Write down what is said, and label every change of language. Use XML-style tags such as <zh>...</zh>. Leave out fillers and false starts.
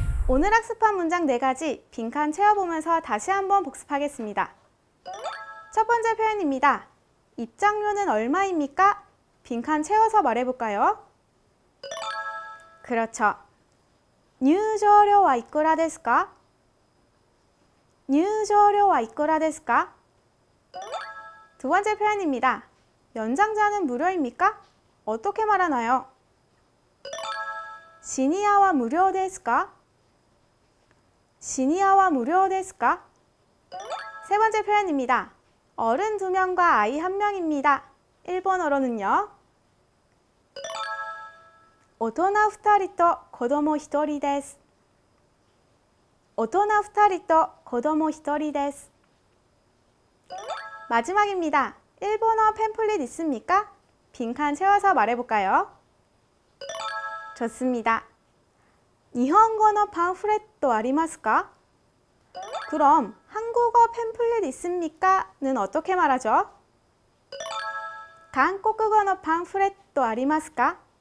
<ko>오늘 학습한 문장 네 가지 빈칸 채워보면서 다시 한번 복습하겠습니다. 첫 번째 표현입니다. 입장료는 얼마입니까? 빈칸 채워서 말해볼까요? 그렇죠.</ko> <ja>入場料はいくらですか?入場料はいくらですか?</ja> <ko>두번째표현입니다. 연장자는무료입니까? 어떻게말하나요? 시니어</ko> <ja>は無料ですか?</ja> <ko>시니어は무료ですか?세번째표현입니다. 어른두명과아이한명입니다. 일본어로는요?</ko> <ja>大人二人と子供一人です。大人二人と子供一人です。</ja> <ko>마지막입니다. 일본어팸플릿있습니까? 빈칸채워서말해볼까요? 좋습니다.</ko> <ja>日本語のパンフレットありますか?</ja> <ko>그럼한국어팸플릿있습니까? 는어떻게말하죠?</ko> <ja>한국어のパンフレットありますか?</ja>